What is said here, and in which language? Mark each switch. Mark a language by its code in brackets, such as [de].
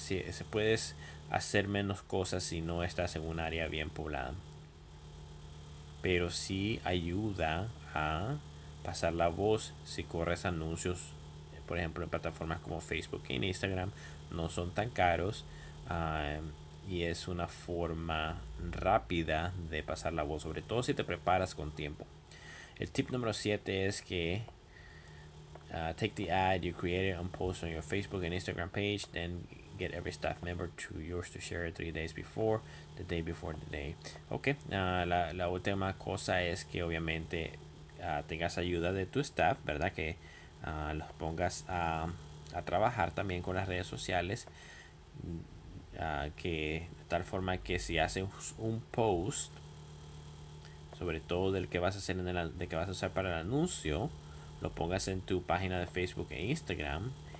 [es] Si se puedes hacer menos cosas si no estás en un área bien poblada, pero sí ayuda a pasar la voz si corres anuncios, por ejemplo, en plataformas como Facebook e Instagram. No son tan caros, y es una forma rápida de pasar la voz, sobre todo si te preparas con tiempo. El tip número 7 es que [en] take the ad you created and post on your Facebook and Instagram page, then get every staff member to yours to share it 3 days before, the day before the day. [es] Ok, la última cosa es que obviamente tengas ayuda de tu staff, ¿verdad? Que los pongas a trabajar también con las redes sociales, que de tal forma que si haces un post, sobre todo del que vas a hacer de que vas a usar para el anuncio, lo pongas en tu página de Facebook e Instagram,